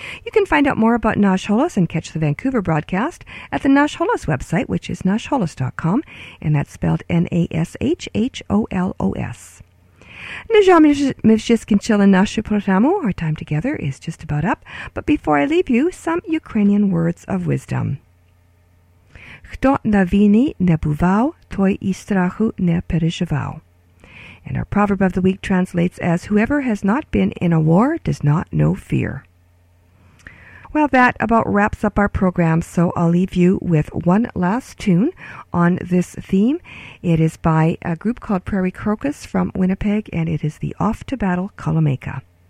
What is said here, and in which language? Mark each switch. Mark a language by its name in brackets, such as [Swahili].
[English] You can find out more about Nash Holos and catch the Vancouver broadcast at the Nash Holos website, which is nashholos.com, and that's spelled NASHHOLOS. Our time together is just about up, but before I leave you, some Ukrainian words of wisdom. [Ukrainian] Хто на війні не бував, той і страху не переживав. [English] And our proverb of the week translates as, whoever has not been in a war does not know fear. Well, that about wraps up our program, so I'll leave you with one last tune on this theme. It is by a group called Prairie Crocus from Winnipeg, and it is the Off to Battle Kalameka.